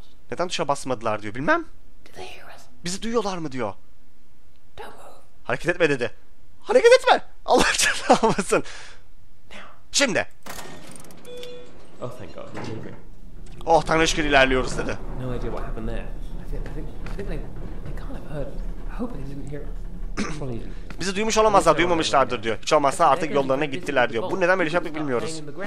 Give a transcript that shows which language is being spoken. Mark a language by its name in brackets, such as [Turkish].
[Turkish] Neden tuşa basmadılar diyor. Bilmem. Bizi duyuyorlar mı diyor. Hareket etme dedi. Hareket etme. Allah canlamasın. Şimdi. [English] Oh thank God. [Turkish] Oh Tanrı şükür ilerliyoruz dedi. [English] No idea what happened there. I think they can't have heard. I hope they didn't hear us. [Turkish] Bizi duymuş olamazlar, duymamışlardır diyor. Hiç olmazsa artık yollarına gittiler diyor. Bu neden böyle şey yaptık bilmiyoruz.